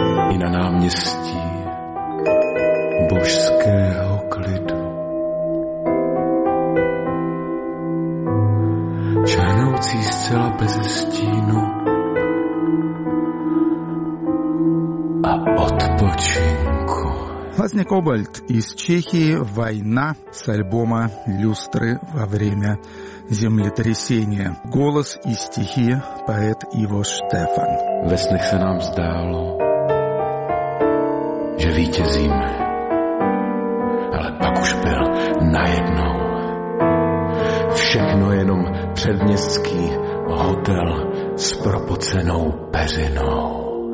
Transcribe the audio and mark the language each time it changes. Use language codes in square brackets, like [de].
[cs] I na náměstí božského klidu. Černoucí zcela bez stínu a odpočinku. [ru] Лазня Кобальт из Чехии, «Война» с альбома «Люстры во время землетрясения». Голос и стихи поэт Иво Штефан. [cs] Ve snech se nám zdálo, že vítězíme, ale pak už byl najednou všechno jenom předměstský hotel s propocenou peřinou.